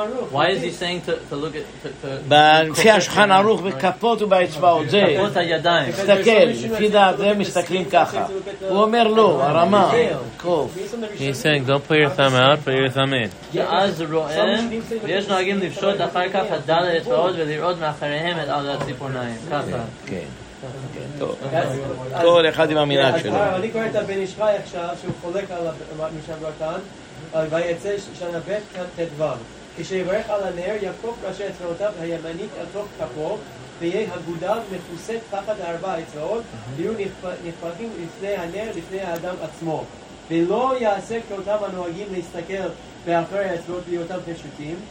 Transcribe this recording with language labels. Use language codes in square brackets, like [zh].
[en] Why is he saying to look at the [he] בפי השולחן ערוך בכפות ובאצבעות, זה כפות הידיים, תסתכל לפי דעת זה, מסתכלים ככה, הוא אומר לו הרמה, [en] he's saying don't put your thumb out, put your thumb in. [he] אז רואים, ויש נוהגים לפשוט אחר כך את דל האצבעות ולראות מאחריהם את על הציפורניים ככה. כן, כל אחד עם המנהג שלו. אני קורא את הבן ישראל עכשיו שהוא חולק על משה ברקן, ויצא שנה ב' כתבר, כשיברך על הנר יקוף ראשי אצבעותיו הימנית על תוך כפו, ויהי הגודל מכוסה תחת ארבע אצבעות, יהיו נפרחים לפני הנר, לפני האדם עצמו, ולא יעשה כאותם הנוהגים להסתכל באחרי האצבעות ביותם פשוטים